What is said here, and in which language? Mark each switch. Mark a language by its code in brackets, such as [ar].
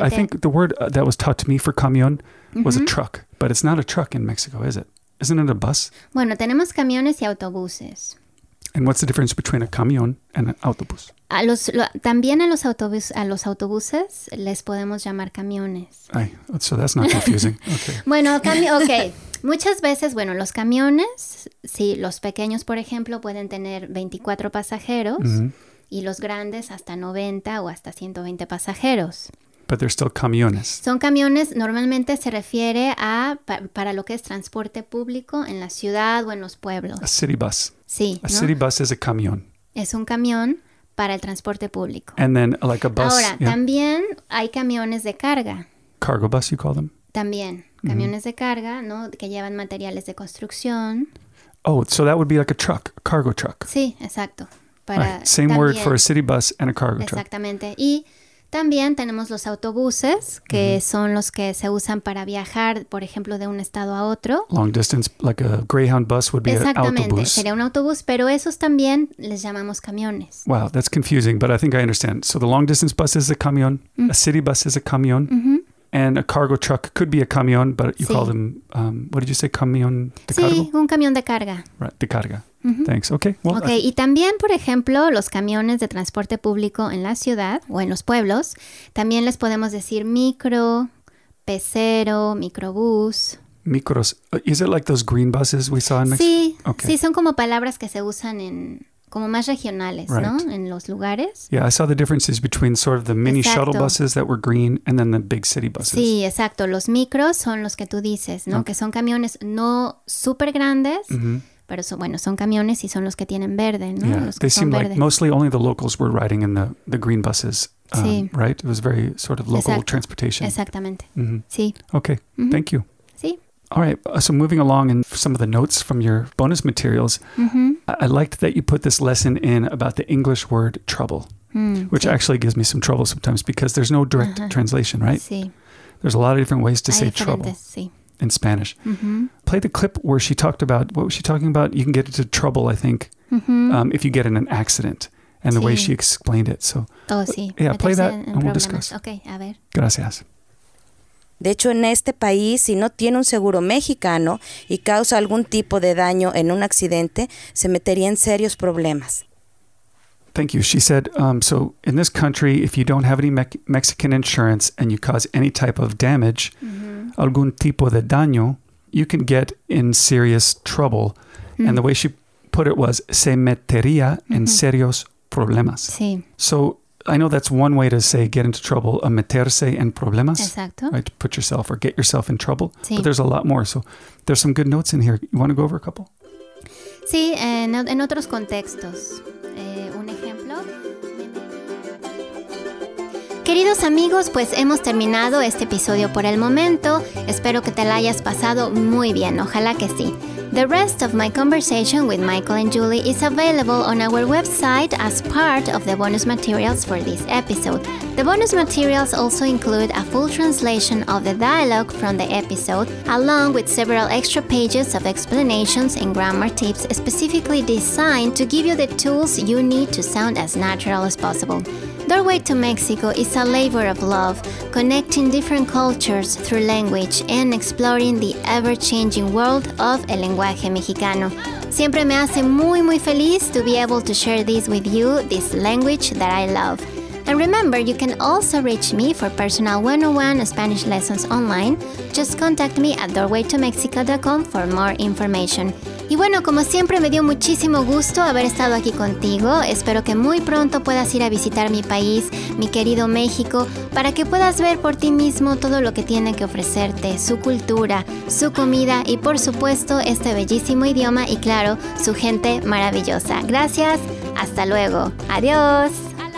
[en] See, I think the word that was taught to me for camión mm-hmm. was a truck. But it's not a truck in Mexico, is it? Isn't it a bus? [es] Bueno, tenemos camiones y autobuses. [en] And what's the difference between a camión and an autobús? [es] También a los autobuses les podemos llamar camiones. [en] Ay, so that's not confusing. Okay. Okay. [es] Muchas veces, bueno, los camiones, sí, los pequeños, por ejemplo, pueden tener 24 pasajeros y los grandes hasta 90 o hasta 120 pasajeros. [en] But they're still camiones. [es] Son camiones, normalmente se refiere a para lo que es transporte público en la ciudad o en los pueblos. [en] A city bus. [es] Sí. [en] A city bus is a camión. [es] Es un camión para el transporte público. [en] And then like a bus. [es] Ahora, también hay camiones de carga. [en] Cargo bus, you call them? [es] También. Camiones de carga, ¿no? Que llevan materiales de construcción. [en] Oh, so that would be like a truck, a cargo truck. [es] Sí, exacto. [en] Word for a city bus and a cargo truck. [es] Exactamente. Y también tenemos los autobuses, que son los que se usan para viajar, por ejemplo, de un estado a otro. [en] Long distance, like a Greyhound bus would be an autobús. [es] Exactamente, sería un autobús, pero esos también les llamamos camiones. [en] Wow, that's confusing, but I think I understand. So the long distance bus is a camión, a city bus is a camión. And a cargo truck could be a camión, but you call them, what did you say, [es] camión de cargo? Sí, un camión de carga. [en] Right, [es] de carga. [en] Mm-hmm. Thanks. Okay. Well, okay, [es] y también, por ejemplo, los camiones de transporte público en la ciudad o en los pueblos, también les podemos decir micro, pecero, microbús. Micros. [en] Is it like those green buses we saw in Mexico? [es] Sí. Okay. Sí, son como palabras que se usan en... como más regionales, right. ¿No? En los lugares. [en] Yeah, I saw the differences between sort of the mini shuttle buses that were green and then the big city buses. [es] Sí, exacto. Los micros son los que tú dices, ¿no? Okay. Que son camiones no súper grandes, pero son camiones y son los que tienen verde, ¿no? [en] Yeah, [es] los que [en] they [es] son [en] seem verde. Like mostly only the locals were riding in the green buses, right? It was very sort of local transportation. [es] Exactamente, sí. [en] Okay, thank you. All right, so moving along in some of the notes from your bonus materials, I liked that you put this lesson in about the English word trouble, which actually gives me some trouble sometimes because there's no direct translation, right? Sí. There's a lot of different ways to say trouble in Spanish. Mm-hmm. Play the clip where she talked about, what was she talking about? You can get into trouble, I think, if you get in an accident and the way she explained it. So, play that and we'll discuss. [es] Okay, a ver. Gracias. De hecho, en este país, si no tiene un seguro mexicano y causa algún tipo de daño en un accidente, se metería en serios problemas. [en] Thank you. She said, so in this country, if you don't have any Mexican insurance and you cause any type of damage, [es] algún tipo de daño, [en] you can get in serious trouble. Mm-hmm. And the way she put it was, [es] se metería en serios problemas. Sí. [en] So, I know that's one way to say get into trouble, [es] a meterse en problemas. Exacto. [en] Right, to put yourself or get yourself in trouble. [es] Sí. [en] But there's a lot more. So there's some good notes in here. You want to go over a couple? [es] Sí, en otros contextos. Un ejemplo. Queridos amigos, pues hemos terminado este episodio por el momento. Espero que te la hayas pasado muy bien. Ojalá que sí. [en] The rest of my conversation with Michael and Julie is available on our website as part of the bonus materials for this episode. The bonus materials also include a full translation of the dialogue from the episode, along with several extra pages of explanations and grammar tips specifically designed to give you the tools you need to sound as natural as possible. Doorway to Mexico is a labor of love, connecting different cultures through language and exploring the ever-changing world of [es] el lenguaje mexicano. Siempre me hace muy, muy feliz [en] to be able to share this with you, this language that I love. And remember, you can also reach me for personal 101 Spanish lessons online. Just contact me at doorwaytomexico.com for more information. [es] Y bueno, como siempre, me dio muchísimo gusto haber estado aquí contigo. Espero que muy pronto puedas ir a visitar mi país, mi querido México, para que puedas ver por ti mismo todo lo que tiene que ofrecerte, su cultura, su comida y, por supuesto, este bellísimo idioma y, claro, su gente maravillosa. Gracias, hasta luego. Adiós.